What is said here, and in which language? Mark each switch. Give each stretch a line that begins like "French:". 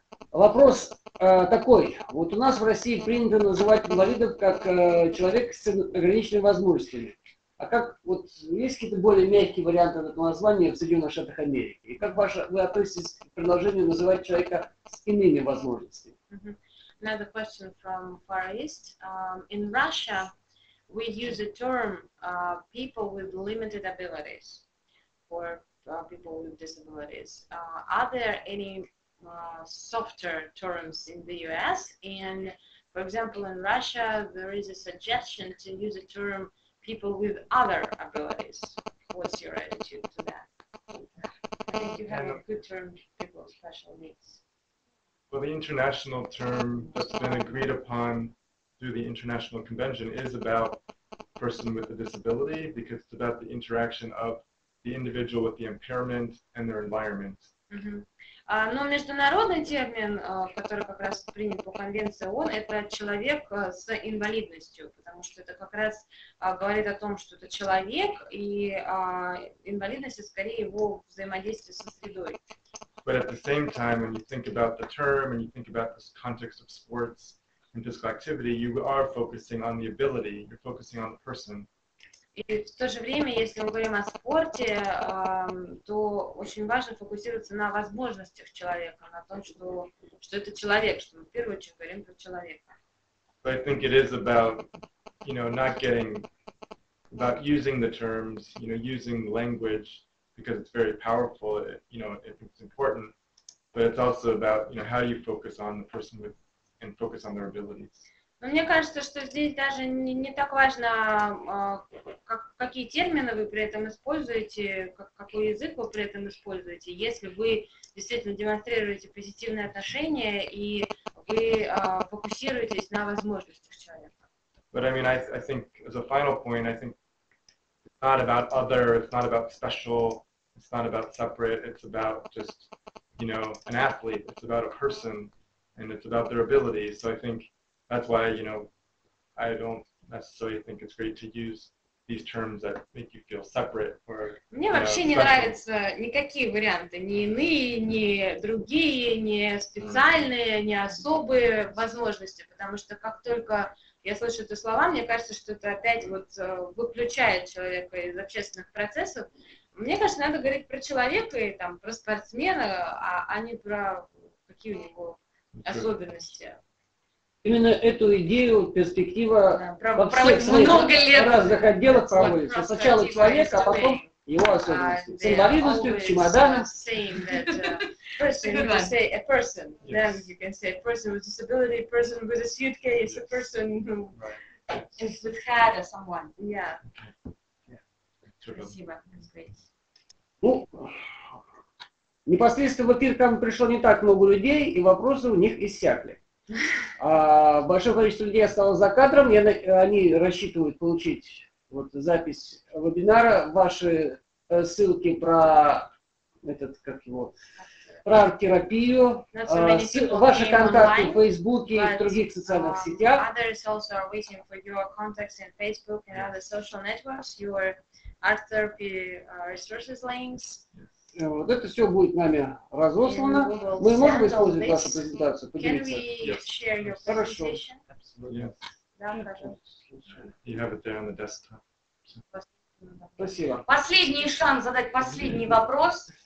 Russian: Вопрос такой. Вот у нас в России принято называть инвалидов как человек с ограниченными возможностями. А как вот есть какие-то более мягкие варианты этого названия в Соединенных Штатах Америки? И как вы относитесь к предложению называть человека с иными возможностями?
English: Mm-hmm. Another question from Far East. In Russia, we use the term people with limited abilities or people with disabilities. Are there any softer terms in the US? And, for example, in Russia, there is a suggestion to use a term people with other abilities. What's your attitude to that? I think you have a good term, people with special needs. Well, the international term that's been agreed upon through the International Convention is about person with a disability, because it's about the interaction of the individual with the impairment and their environment.
Russian: Но международный термин, который как раз принят по конвенции ООН, это человек с инвалидностью, потому что это как раз говорит о том, что это человек, и инвалидность скорее его взаимодействие со средой.
English: But at the same time, when you think about the term and you think about this context of sports and physical activity, you are focusing on the ability, you're focusing on the person.
Russian: И в то же время, если мы говорим о спорте, то очень важно фокусироваться на возможностях человека, на том, что это человек, что мы в первую очередь говорим про человека.
English: But I think it is about, you know, not getting, about using the terms, you know, using language, because it's very powerful, you know, it's important, but it's also about, you know, how you focus on the person with, and focus on their abilities.
Russian: Но мне кажется, что здесь даже не так важно, какие термины вы при этом используете, какой язык вы при этом используете. Если вы действительно демонстрируете позитивные отношения и вы фокусируетесь на возможностях человека.
English: But I mean, I think as a final point, I think it's not about other, it's not about special, it's not about separate, it's about just, you know, an athlete, it's about a person, and it's about their abilities. So I think that's why, you know, I don't necessarily think it's great to use these terms that make you feel separate or.
Russian: Мне вообще не нравятся никакие варианты, ни иные, ни другие, ни специальные, ни особые возможности, потому что как только я слышу эти слова, мне кажется, что это опять вот выключает человека из общественных процессов. Мне кажется, надо говорить про человека и там про спортсмена, а не про какие у него особенности. Именно эту идею, перспектива да, во всех своих много лет разных отделах проводится. Сначала человек, а потом его особенности. С инвалидностью, к чемодану.
English: Person, you can say a person. Yes. Then you can say a person with disability, a person with a suitcase, yes. A person who is with hat or someone. Yeah. Okay. Yeah. That's great.
Russian: Непосредственно в эфир к нам пришло не так много людей, и вопросы у них иссякли. Большое количество людей осталось за кадром, и они рассчитывают получить вот запись вебинара, ваши ссылки про этот, как его, про арт-терапию, ваши контакты
English: online,
Russian: в Фейсбуке и в других социальных сетях.
English: Others also are waiting for your contacts in Facebook and other social networks, your art therapy resources links.
Russian: Вот это все будет нами разослано. Мы можем использовать вашу презентацию, поделиться?
English: Can we share your presentation? Yes.
Russian: Хорошо.
English: You have it there on the desktop.
Russian: Спасибо. Последний шанс задать последний вопрос.